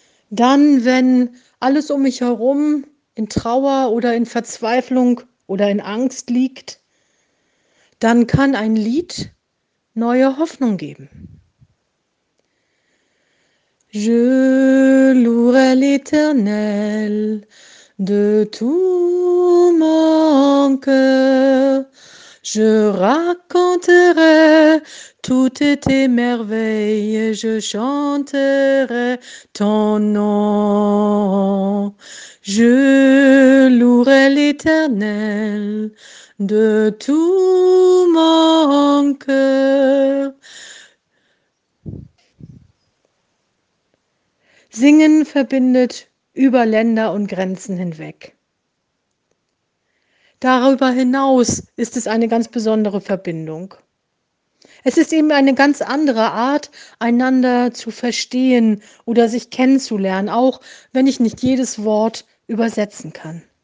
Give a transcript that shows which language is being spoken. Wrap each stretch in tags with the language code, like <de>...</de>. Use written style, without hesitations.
<de>Dann, wenn alles um mich herum in Trauer oder in Verzweiflung oder in Angst liegt, dann kann ein Lied neue Hoffnung geben.</de> <fr>Je louerai l'Éternel de tout mon cœur. Je raconterai toutes tes merveilles et je chanterai ton nom. Je louerai l'Éternel de tout mon cœur.</fr> <de>Singen verbindet über Länder und Grenzen hinweg. Darüber hinaus ist es eine ganz besondere Verbindung. Es ist eben eine ganz andere Art, einander zu verstehen oder sich kennenzulernen, auch wenn ich nicht jedes Wort übersetzen kann.</de>